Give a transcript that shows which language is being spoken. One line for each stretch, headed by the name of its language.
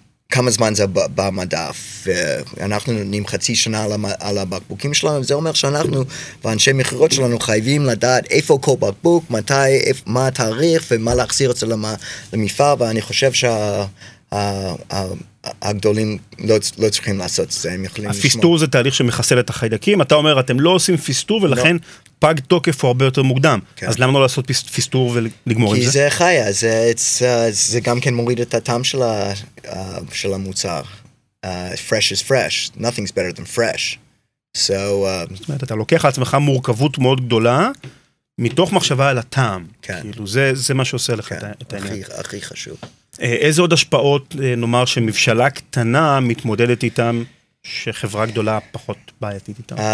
Hebrew: כמה זמן זה במדף, ואנחנו נותנים חצי שנה על הבקבוקים שלנו, זה אומר שאנחנו ואנשי מחירות שלנו חייבים לדעת איפה כל בקבוק, מתי, מה התאריך ומה להחזיר את זה למפעל, ואני חושב שהגדולים לא צריכים לעשות את זה, הם יכולים לשמור. הפיסטור זה תהליך שמחסל את החיידקים, אתה אומר אתם לא עושים פיסטור ולכן פג תוקף הוא הרבה יותר מוקדם, אז למה לא לעשות פיסטור ולגמור עם זה? כי זה חיה, זה גם כן מוריד את הטעם של המוצר.
English: Fresh is fresh, nothing's better than fresh.
Hebrew: זאת אומרת, אתה לוקח על עצמך מורכבות מאוד גדולה, מתוך מחשבה על הטעם. זה מה שעושה לך את העניין. הכי חשוב. איזה עוד השפעות, נאמר, שמבשלה קטנה מתמודדת איתם, שחברה גדולה פחות בעייתית איתם?